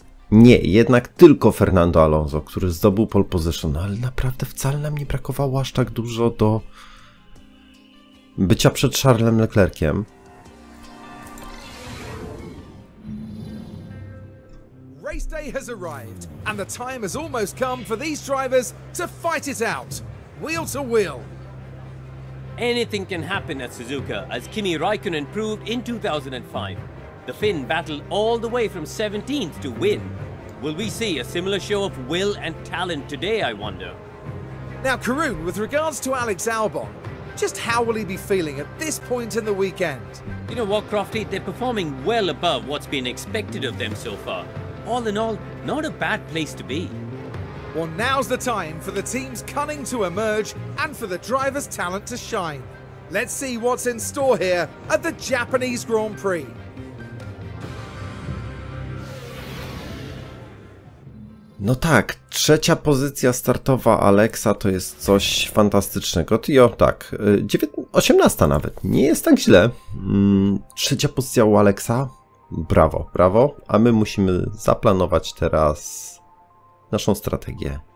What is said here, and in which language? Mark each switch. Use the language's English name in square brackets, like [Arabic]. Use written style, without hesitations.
[Polish] Nie, jednak tylko Fernando Alonso, który zdobył pole position, no ale naprawdę wcale nam nie brakowało aż tak dużo do bycia przed Charlesem Leclerciem. [English] Race day has arrived and the time has almost come for these drivers to fight it out, wheel to wheel. Anything can happen at Suzuka, as Kimi Raikkonen proved in 2005. The Finn battled all the way from 17th to win. Will we see a similar show of will and talent today, I wonder? Now, Karun, with regards to Alex Albon, just how will he be feeling at this point in the weekend? You know what, Crofty? They're performing well above what's been expected of them so far. All in all, not a bad place to be. Well, now's the time for the team's cunning to emerge and for the driver's talent to shine. Let's see what's in store here at the Japanese Grand Prix. [Polish] No tak, 3. pozycja startowa Alexa to jest coś fantastycznego. Tio, tak, 18 nawet, nie jest tak źle. 3. pozycja u Alexa, brawo, brawo. A my musimy zaplanować teraz naszą strategię.